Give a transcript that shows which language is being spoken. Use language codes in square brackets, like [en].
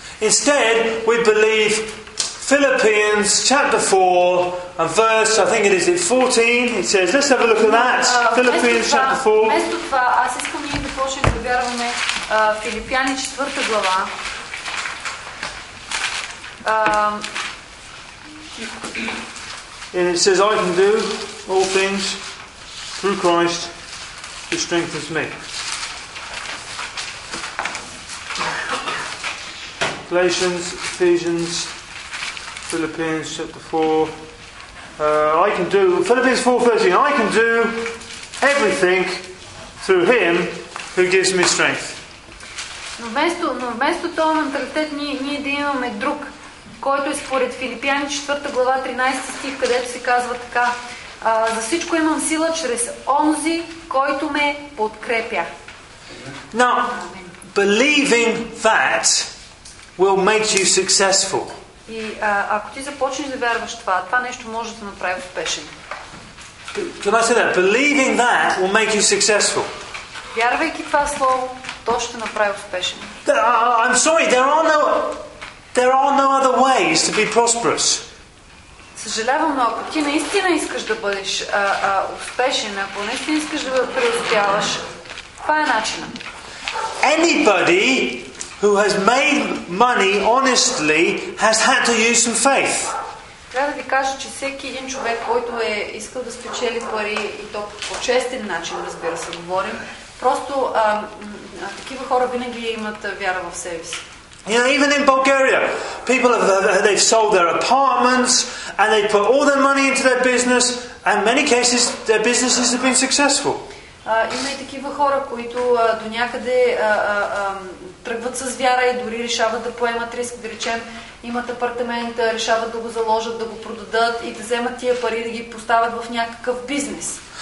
[en] Instead, we believe Philippians chapter 4 and verse, I think it is 14, it says, let's have a look at that, Philippians chapter 4. [bg] Вместо това, аз искам ние да почнем да вярваме Филипяни 4 глава. [en] And it says, I can do all things through Christ who strengthens me. Galatians, Ephesians, Philippians chapter 4. I can do, Philippians 4:13, I can do everything through him who gives me strength. [bg] Но вместо това менталитет, ние да имаме друг, който е според Филипяни 4 глава 13 стих, където се казва така: за всичко имам сила чрез онзи, който ме подкрепя. [en] Now, believing that will make you successful. [bg] И ако ти започнеш да вярваш това, това нещо може да направи успешен. [en] Can I say that? Believing that will make you successful. [bg] Вярвайки това слово, то ще направи успешен. [en] I'm sorry, there are no other ways to be prosperous. [bg] Съжалявам, но ако ти наистина искаш да бъдеш успешен, ако наистина искаш да преуспяваш, това е начина. [en] Anybody who has made money honestly has had to use some faith. [bg] Трябва да ви кажа, че всеки един човек, който е искал да спечели пари и то по честен начин, разбира се, говорим, просто такива хора винаги имат вяра в себе си. [en] You know, even in Bulgaria, people they've sold their apartments and they put all their money into their business, and in many cases their businesses have been successful. [bg] Има и такива хора, които до някъде тръгват с вяра и дори решават да поемат риск, да речем, имат апартамент, решават да го заложат, да го продадат и да вземат тия пари и да ги поставят в някакъв бизнес.